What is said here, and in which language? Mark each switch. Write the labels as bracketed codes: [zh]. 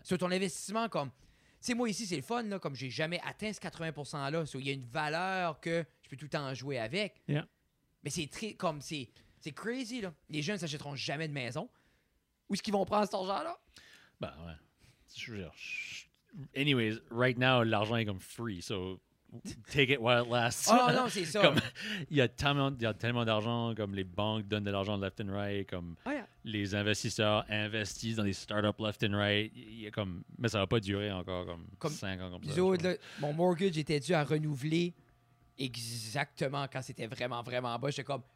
[fr] Sur ton investissement, comme, tu sais, moi ici, c'est le fun, là, comme j'ai jamais atteint ce 80%-là. Il y a une valeur que je peux tout le temps jouer avec. [en] Yeah. [fr] Mais c'est très, comme, c'est crazy, là. Les jeunes ne s'achèteront jamais de maison. Où est-ce qu'ils vont prendre cet argent-là? Ben, ouais. Je veux dire, [en] anyways, right now, [fr] l'argent est comme free. [en] So, take it while it lasts. [fr] Oh non, c'est ça. Il y a tellement d'argent, comme les banques donnent de l'argent [en] left and right, [fr] comme les investisseurs investissent dans des startups left and right. Il y a comme, mais ça ne va pas durer encore comme 5 ans comme ça. Mon mortgage était dû à renouveler exactement quand c'était vraiment, vraiment bas. J'étais comme...